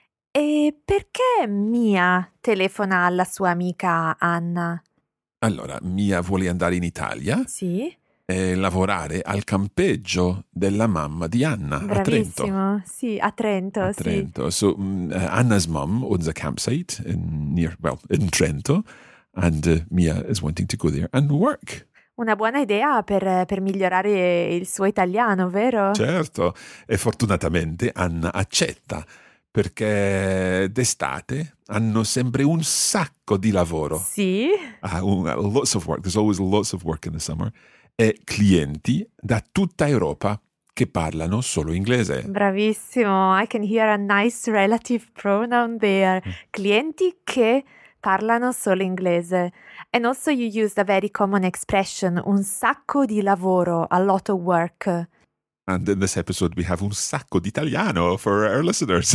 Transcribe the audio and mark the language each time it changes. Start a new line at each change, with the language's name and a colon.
Italian: E perché Mia telefona alla sua amica Anna? Allora, Mia vuole andare in Italia. Sì. E lavorare al campeggio della mamma di Anna. Bravissimo. A Trento. Sì, a Trento. A Trento.
English: So, Anna's mom owns a campsite in Trento, and Mia is wanting to go there and work.
Italian: Una buona idea per migliorare il suo italiano, vero? Certo, e fortunatamente Anna accetta, perché d'estate hanno sempre un sacco di lavoro. Sì.
English: Lots of work, there's always lots of work in the summer.
Italian: E clienti da tutta Europa che parlano solo inglese.
English: Bravissimo, I can hear a nice relative pronoun there.
Italian: Clienti che parlano solo inglese.
English: And also you used a very common expression,
Italian: un sacco di lavoro,
English: a lot of work. And in this episode we have
Italian: un sacco di italiano
English: for our listeners.